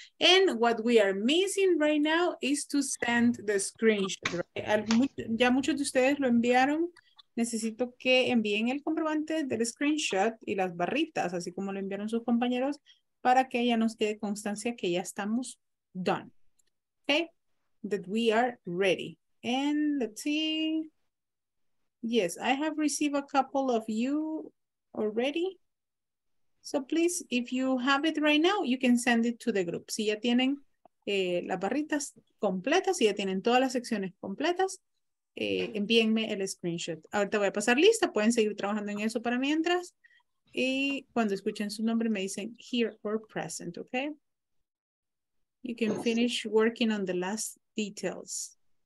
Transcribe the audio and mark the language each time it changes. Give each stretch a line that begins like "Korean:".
English: And what we are missing right now is to send the screenshot. Right?
Spanish: Ya muchos de ustedes lo enviaron. Necesito que envíen el comprobante del screenshot y las barritas, así como lo enviaron sus compañeros, para que ya nos quede constancia que ya estamos
English: done. Okay? That we are ready. And let's see. Yes, I have received a couple of you already. So please, if you have it right now, you can send it to the group.
Spanish: Si ya tienen las barritas completas, si ya tienen todas las secciones completas, envíenme el screenshot. Ahorita voy a pasar lista, pueden seguir trabajando en eso para mientras. Y cuando escuchen su nombre, me dicen
English: here or present,
Spanish: okay?
English: You can finish working on the last details.